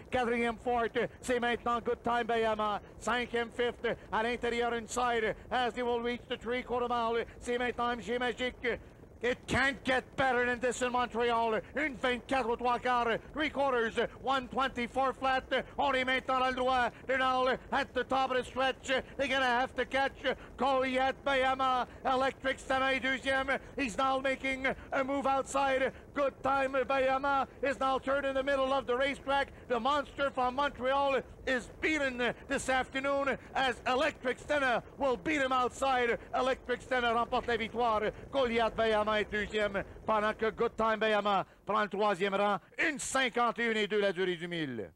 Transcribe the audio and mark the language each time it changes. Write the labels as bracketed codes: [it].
[fr] Quatrième fourth, c'est maintenant good time Bayama. Cinquième fifth, à l'intérieur inside. [en] As they will reach the three-quarter mile, [fr] c'est maintenant [en] G Magic. It can't get better than this in Montreal. [fr] Une 24 trois quarts, [en] three quarters, [fr] 124 flat. On est maintenant à droite. [en] They're now at the top of the stretch. They're going to have to catch Goliath Bayama. [fr] Electric Stena, deuxième. [en] He's now making a move outside. Good time, Bayama is now turned in the middle of the racetrack. The monster from Montreal is beaten this afternoon as Electric Stena will beat him outside. [fr] Electric Stena remporte la victoire. Goliath Bayama est deuxième, pendant que Good Time Bayama prend le troisième rang. Une 51 et 2 la durée du mille.